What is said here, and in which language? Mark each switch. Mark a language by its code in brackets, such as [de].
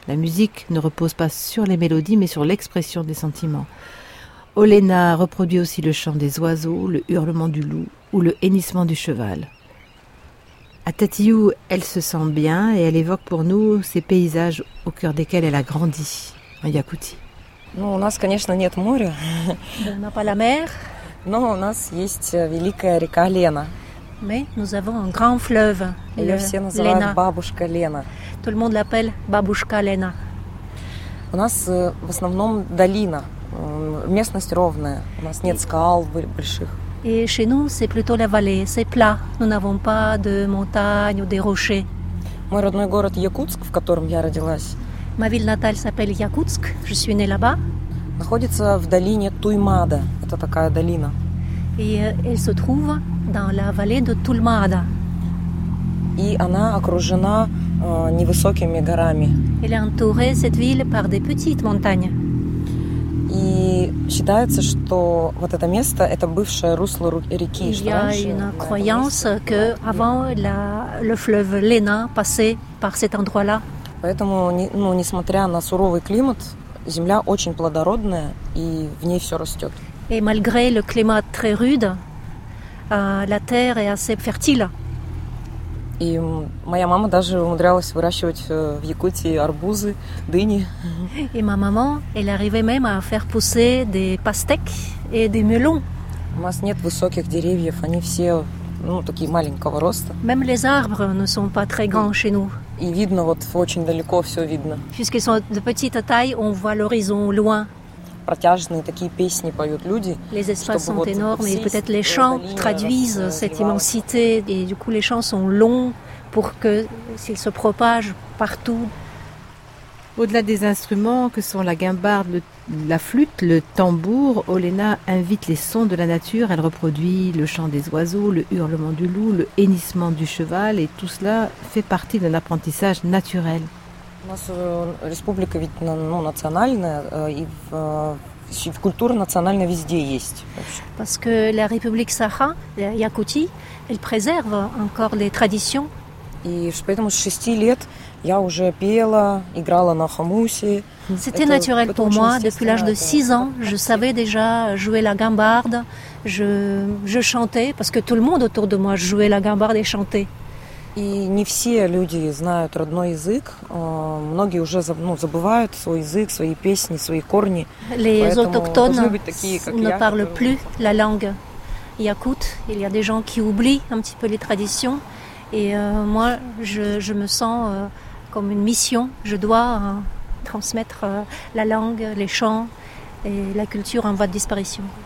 [fr] La musique ne repose pas sur les mélodies, mais sur l'expression des sentiments. Olena reproduit aussi le chant des oiseaux, le hurlement du loup ou le hennissement du cheval. À Tatiou, elle se sent bien et elle évoque pour nous ces paysages au cœur desquels elle a grandi en Yakoutie. [ru] Ну, у нас, конечно, нет моря. Но [fr] pas la mer. [ru] Но у нас есть великая река Лена. [fr] Mais nous avons un grand fleuve. [ru] Её все называют бабушка Лена. [fr] Tout le monde l'appelle [ru] бабушка [fr] Лена. [ru] У нас в основном долина. Местность ровная. У нас нет скал больших. [fr] Et chez nous, c'est plutôt la vallée, c'est plat. Nous n'avons pas de montagnes ou de rochers. [ru] Мой родной город Якутск, в котором я родилась. [fr] Ma ville natale s'appelle Yakoutsk. Je suis née là-bas. [ru] Находится в долине Туймада. Это такая долина. [fr] Et elle se trouve dans la vallée de Toulmada. [ru] И она окружена невысокими горами. [fr] Elle est entourée cette ville par des petites montagnes. [ru] И считается, что вот это место – это бывшее русло реки. [fr] Il y a une croyance que avant le fleuve Léna passait par cet endroit-là. [ru] Поэтому, ну, несмотря на суровый климат, земля очень плодородная и в ней все растет. [fr] Et malgré le climat très rude, la terre est assez fertile. [ru] И моя мама даже умудрялась выращивать в Якутии арбузы, дыни. [fr] Et ma maman, elle arrivait même à faire pousser des pastèques et des melons. [ru] У нас нет высоких деревьев, они все, ну, такие маленького роста. [fr] Même les arbres ne sont pas très grands chez nous. [ru] И видно вот очень далеко все видно. [fr] Puisqu'ils sont de petite taille, on voit l'horizon loin. [ru] Протяжные такие песни поют люди. [fr] Les espaces sont énormes et peut-être les chants traduisent cette immensité et du coup les chants sont longs pour que s'ils se propagent partout. Au-delà des instruments que sont la guimbarde, la flûte, le tambour, Olena invite les sons de la nature. Elle reproduit le chant des oiseaux, le hurlement du loup, le hennissement du cheval et tout cela fait partie d'un apprentissage naturel. [ru] У нас республика ведь, ну, национальная, и в культура национальная везде есть. [fr] Parce que la République Саха, la Якутия, elle préserve encore les traditions. [ru] И поэтому с 6 лет я уже пела, играла на хамусе. [fr] C'était naturel pour moi depuis l'âge de 6 ans, je savais déjà jouer la guimbarde, je chantais parce que tout le monde autour de moi jouait la guimbarde et chantait. [ru] И не все люди знают родной язык. Многие уже, ну, забывают свой язык, свои песни, свои корни. [fr] Les autochtones ne parlent plus la langue yakoute. Il y a des gens qui oublient un petit peu les traditions. Et moi, je me sens comme une mission. Je dois transmettre la langue, les chants et la culture en voie de disparition.